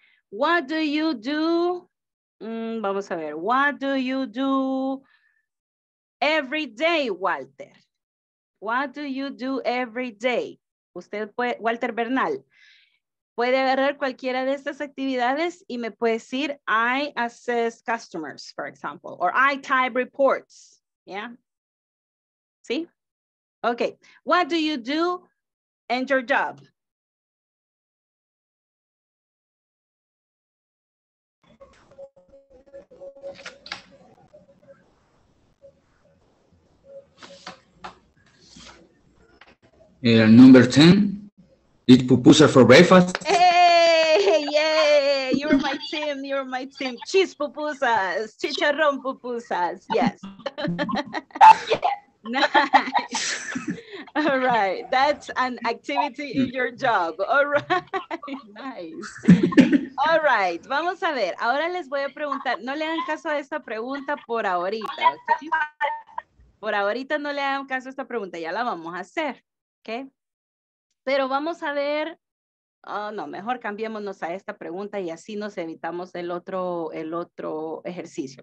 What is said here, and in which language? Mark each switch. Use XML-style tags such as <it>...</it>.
<en>What do you do?</en> <es>Vamos a ver,</es> <en>what do you do every day, Walter? What do you do every day?</en> <es>Usted puede, Walter Bernal, puede agarrar cualquiera de estas actividades y me puede decir,</es> <en>I assist customers, for example, or I type reports, yeah?</en> <es>¿Sí?</es> <en>Okay, what do you do and your job? Number 10, eat pupusas for breakfast. Hey, yay, you're my team, you're my team. Cheese pupusas, chicharron pupusas, yes. Nice. All right, that's an activity in your job. All right, nice. All right,</en> <es>vamos a ver. Ahora les voy a preguntar, no le hagan caso a esta pregunta por ahorita. ¿Sí? Por ahorita no le hagan caso a esta pregunta, ya la vamos a hacer. Okay. Pero vamos a ver, mejor cambiémonos a esta pregunta y así nos evitamos el otro ejercicio.</es>